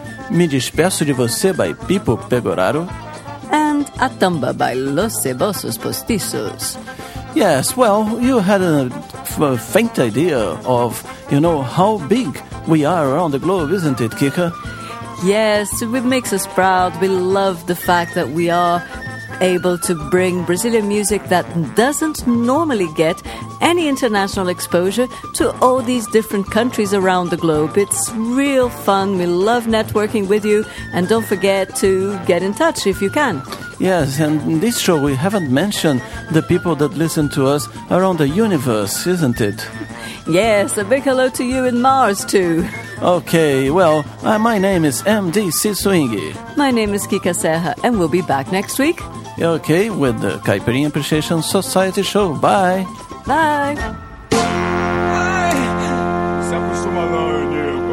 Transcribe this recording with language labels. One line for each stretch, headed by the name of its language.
English: Me Despeço de Você by Pipo Pegoraro. And A Tamba by Los Cebosos Postiços. Yes, well, you had a faint idea of, you know, how big we are around the globe, isn't it, Kika? Yes, it makes us proud. We love the fact that we are able to bring Brazilian music that doesn't normally get any international exposure to all these different countries around the globe. It's real fun. We love networking with you. And don't forget to get in touch if you can. Yes, and in this show we haven't mentioned the people that listen to us around the universe, isn't it? Yes, a big hello to you in Mars, too. Okay, well, my name is MD Cisuingi. My name is Kika Serra, and we'll be back next week. Okay, with the Caipirinha Appreciation Society show. Bye. Bye.
Portuguese: Se acostuma, não, meu Deus.